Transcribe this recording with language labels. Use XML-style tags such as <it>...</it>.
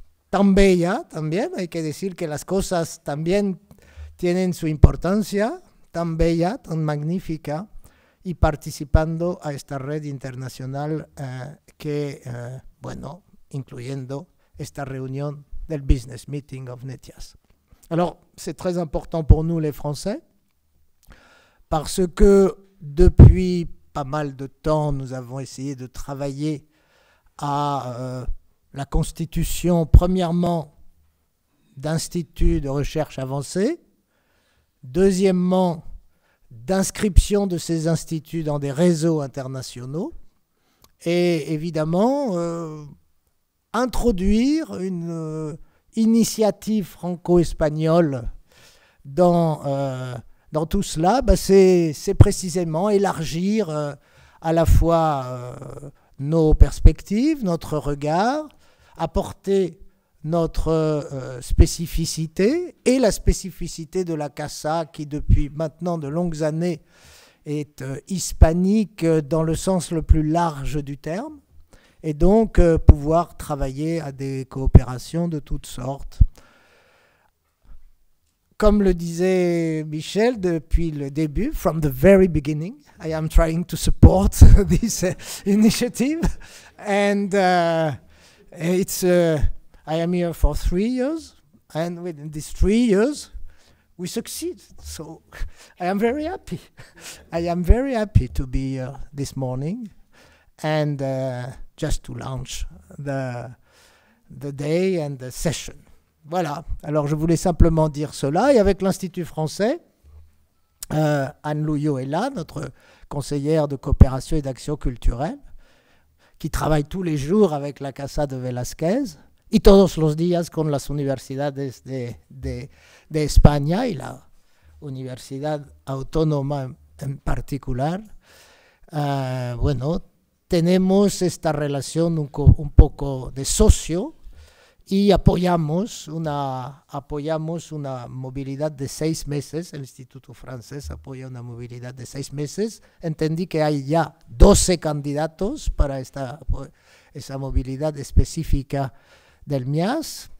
<es>tan bella también, hay que decir que las cosas también tienen su importancia, tan bella, tan magnífica, y participando a esta red internacional que, bueno, incluyendo esta reunión del Business Meeting of Netias.</es> <fr>Alors, c'est très important pour nous les Français, parce que depuis pas mal de temps, nous avons essayé de travailler à la constitution, premièrement, d'instituts de recherche avancée, deuxièmement, d'inscription de ces instituts dans des réseaux internationaux, et évidemment, introduire une initiative franco-espagnole dans, dans tout cela, bah c'est précisément élargir à la fois nos perspectives, notre regard, apporter notre spécificité et la spécificité de la CASA qui depuis maintenant de longues années est hispanique dans le sens le plus large du terme et donc pouvoir travailler à des coopérations de toutes sortes. Comme le disait Michel depuis le début,</fr> <en>from the very beginning, I am trying to support this initiative and it's I am here for 3 years, and within these 3 years, we succeed. So I am very happy. I am very happy to be here this morning and just to launch the day and the session.</en> <fr>Voilà. Alors, je voulais simplement dire cela. Et avec l'Institut français, Anne Louillot est là, notre conseillère de coopération et d'action culturelle, qui travaille tous les jours avec la Casa de Velázquez</fr> <es>y todos los días con las universidades de España y la Universidad Autónoma en particular. Bueno, tenemos esta relación un poco de socio y apoyamos una movilidad de 6 meses. El Instituto Francés apoya una movilidad de 6 meses. Entendí que hay ya 12 candidatos para esa movilidad específica del MIAS.</es>